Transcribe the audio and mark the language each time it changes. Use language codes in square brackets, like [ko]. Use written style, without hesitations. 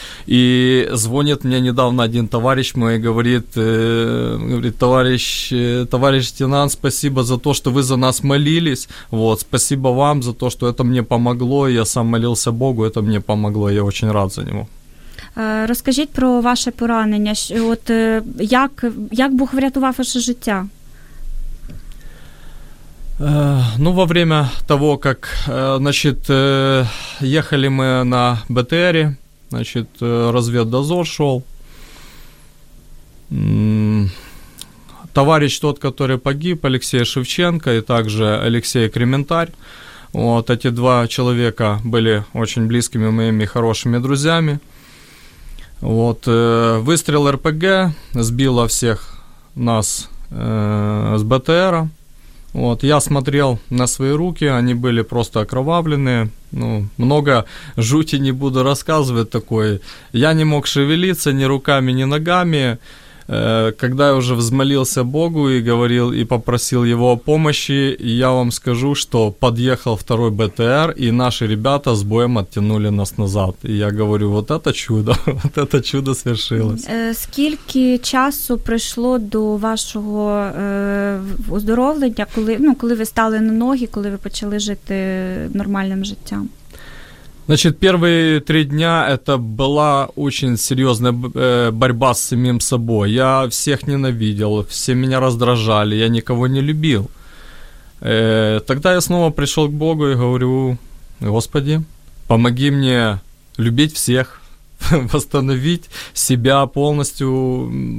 [ru] И звонит мне недавно один товарищ мой и говорит, товарищ Тинан, спасибо за то, что вы за нас молились, вот, спасибо вам за то, что это мне помогло, я сам молился Богу, это мне помогло, я очень рад за него. [uk] Розкажіть про ваше поранення. От як Бог врятував ваше життя? [ru] Ну, во время того, как, значит, ехали мы на БТРе, значит, разведдозор шел. Товарищ тот, который погиб, Алексей Шевченко и также Алексей Крементарь. Вот эти два человека были очень близкими моими хорошими друзьями. Вот, выстрел РПГ сбило всех нас с БТРа. Вот, я смотрел на свои руки, они были просто окровавленные. Ну, много жути не буду рассказывать такой. Я не мог шевелиться ни руками, ни ногами. Когда я уже взмолился Богу и говорил, и попросил Его о помощи, я вам скажу, что подъехал второй БТР, и наши ребята с боем оттянули нас назад. И я говорю, вот это чудо свершилось. [uk] Скільки часу пройшло до вашого оздоровлення, коли ви стали на ноги, коли ви почали жити нормальним життям? [ru] Значит, первые три дня это была очень серьезная борьба с самим собой. Я всех ненавидел, все меня раздражали, я никого не любил. Тогда я снова пришел к Богу и говорю, Господи, помоги мне любить всех, восстановить себя полностью.